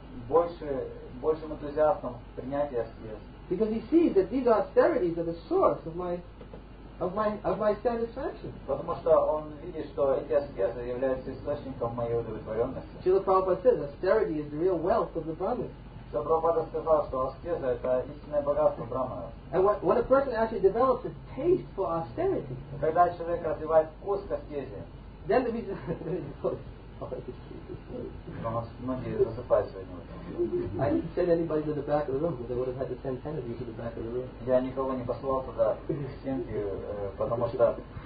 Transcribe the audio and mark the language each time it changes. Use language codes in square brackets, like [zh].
[ru] Большим энтузиастом принятия аскез. [en] Because he sees that these austerities are the source of my satisfaction. [ru] Потому что он видит, что эти аскезы являются источником моей удовлетворенности. [en] Srila Prabhupada says austerity is the real wealth of the Brahmin. [ru] Прабхупада сказал, что аскеза это истинное богатство брахмана. [en] And when a person actually develops a taste for austerity, [ru] когда человек развивает вкус к аскезе, [en] then the reason [ru] многие засыпают сегодня. [en] I didn't send anybody to the back of the room, but they would have had to send 10 of you to the back of the room. [ru] Я никого не послал туда стенки, потому что